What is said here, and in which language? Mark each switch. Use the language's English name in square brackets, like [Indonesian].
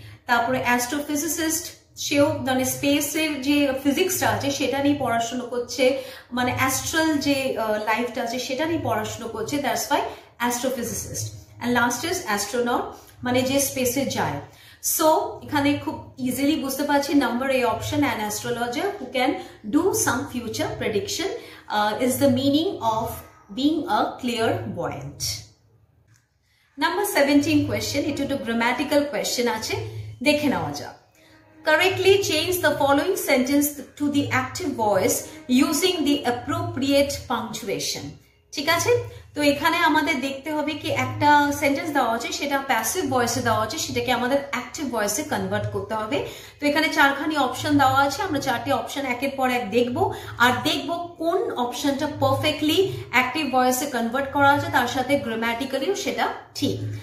[Bangla] তারপরে অ্যাস্ট্রোফিজিসিস্ট, সেও মানে স্পেসের যে ফিজিক্সটা আছে সেটা নিয়ে পড়াশুনো করছে, মানে অ্যাস্ট্রাল যে লাইফটা আছে সেটা নিয়ে পড়াশুনো করছে, [English] That's why astrophysicist. And last is astronaut, [Bangla] মানে যে স্পেসে যায়। [English] so [Bangla] এখানে খুব ইজিলি বুঝতে পারছি [English] Number A option, an astrologer who can do some future prediction is the meaning of being a clear buoyant. Number 17 question, it is a grammatical question. [Bangla] Dekhe nao ja. [English] Correctly change the following sentence to the active voice using the appropriate punctuation. [Bangla] ঠিক আছে, তো এখানে আমাদের দেখতে হবে কি একটা sentence দেওয়া আছে, সেটা প্যাসিভ ভয়েসে দেওয়া আছে, সেটাকে আমাদের অ্যাক্টিভ ভয়েসে কনভার্ট করতে হবে। তো এখানে চারখানি অপশন দেওয়া আছে, আমরা চারটি অপশন একের পর এক দেখব আর দেখব কোন অপশনটা পারফেক্টলি অ্যাক্টিভ ভয়েসে কনভার্ট করা আছে, তার সাথে গ্রামাটিক্যালিও সেটা ঠিক।